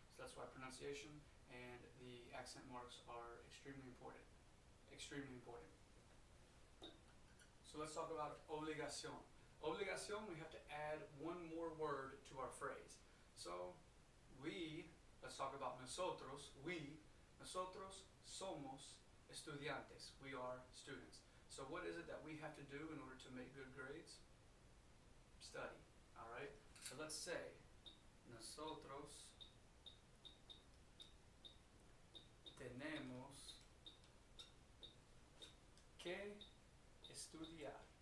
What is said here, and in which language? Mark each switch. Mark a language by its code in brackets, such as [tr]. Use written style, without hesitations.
[en] So that's why pronunciation and the accent marks are extremely important. Extremely important. So let's talk about obligación. Obligación, we have to add one more word to our phrase. So let's talk about nosotros. [es] Nosotros somos estudiantes. [en] We are students. So what is it that we have to do in order to make good grades? Study. All right? [es] So let's say, nosotros tenemos que estudiar.